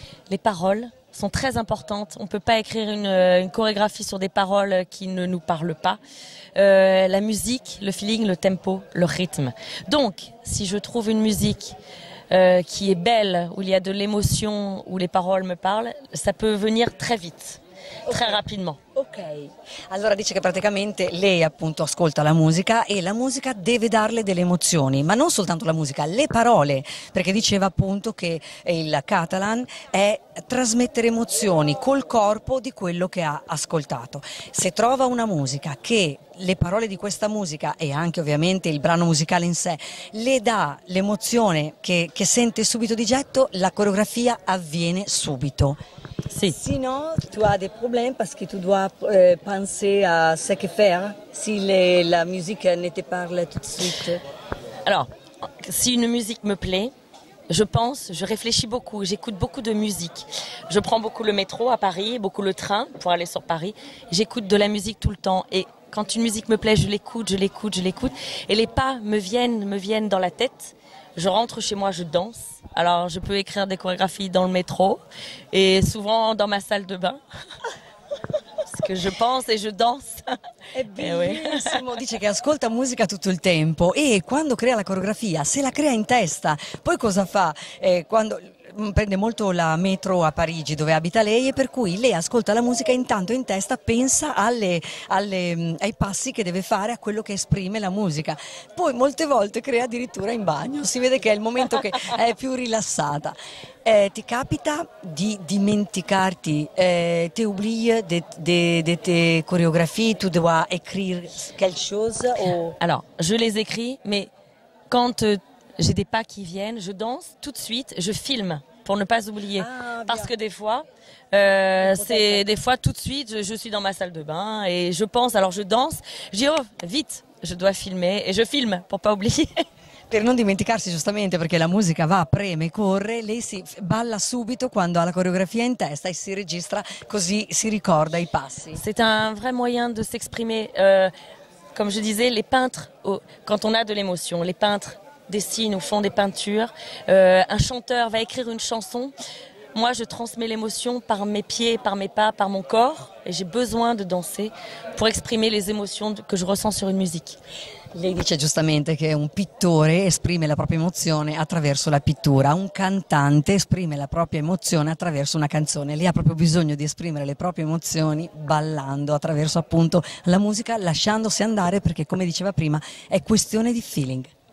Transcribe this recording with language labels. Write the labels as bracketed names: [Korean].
[French] Les paroles sont très importantes. On ne peut pas écrire une chorégraphie sur des paroles qui ne nous parlent pas. La musique, le feeling, le tempo, le rythme. Donc, si je trouve une musique qui est belle, où il y a de l'émotion, où les paroles me parlent, ça peut venir très vite. Très rapidement. [Italian] Ok, allora dice che praticamente lei appunto ascolta la musica e la musica deve darle delle emozioni, ma non soltanto la musica, le parole, perché diceva appunto che il catalan è trasmettere emozioni col corpo di quello che ha ascoltato. Se trova una musica che le parole di questa musica e anche ovviamente il brano musicale in sé le dà l'emozione che sente subito di getto, la coreografia avviene subito. Sì. Se no, tu hai dei problemi perché [French] tu dois penser à ce que faire si la musique ne te parle tout de suite. Alors, si une musique me plaît, je pense, je réfléchis beaucoup, j'écoute beaucoup de musique. Je prends beaucoup le métro à Paris, beaucoup le train pour aller sur Paris. J'écoute de la musique tout le temps et quand une musique me plaît, je l'écoute. Et les pas me viennent dans la tête. Je rentre chez moi, je danse. Alors, je peux écrire des chorégraphies dans le métro et souvent dans ma salle de bain. Che je pense e je danse. [Italian] È bellissimo. Dice che ascolta musica tutto il tempo e quando crea la coreografia, se la crea in testa, poi cosa fa? Quando prende molto la metro a Parigi dove abita lei e per cui lei ascolta la musica e intanto in testa pensa ai passi che deve fare, a quello che esprime la musica. Poi molte volte crea addirittura in bagno, si vede che è il momento che è più rilassata. Ti capita di dimenticarti, [French] ti oubli de tes coreografie, tu dois écrire quelque chose ou... Alors, je les écris, mais quand j'ai des pas qui viennent, je danse tout de suite, je filme pour ne pas oublier. Ah, parce que des fois, c'est des fois tout de suite, je suis dans ma salle de bain et je pense, alors je danse, je dis oh, vite, je dois filmer et je filme pour pas oublier. [Italian] Per non dimenticarsi, giustamente, perché la musica va, preme, corre, lei si balla subito quando ha la coreografia in testa e si registra, così si ricorda i passi. [French] C'est un vrai moyen de s'exprimer. Comme je disais, les peintres, quand on a de l'émotion, les peintres dessinent ou font des peintures. Un chanteur va écrire une chanson. Moi, je transmets l'émotion par mes pieds, par mes pas, par mon corps. Et j'ai besoin de danser pour exprimer les émotions que je ressens sur une musique. [Italian] Lei dice giustamente che un pittore esprime la propria emozione attraverso la pittura, un cantante esprime la propria emozione attraverso una canzone. Lei ha proprio bisogno di esprimere le proprie emozioni ballando attraverso appunto la musica, lasciandosi andare, perché come diceva prima è questione di feeling.